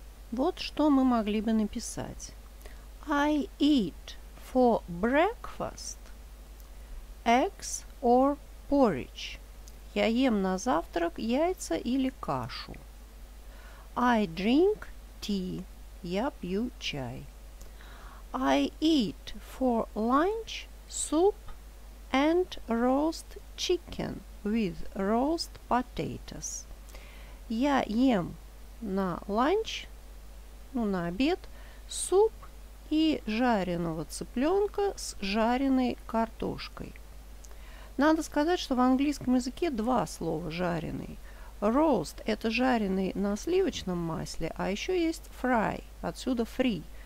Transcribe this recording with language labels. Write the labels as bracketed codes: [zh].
[ru] Вот что мы могли бы написать. [en] I eat for breakfast eggs or porridge. [ru] Я ем на завтрак яйца или кашу. [en] I drink tea. [ru] Я пью чай. [en] I eat for lunch soup and roast chicken with roast potatoes. [ru] Я ем на ланч, ну, на обед, суп и жареного цыпленка с жареной картошкой. Надо сказать, что в английском языке два слова «жареный». Roast – это жареный на сливочном масле, а еще есть fry, отсюда free.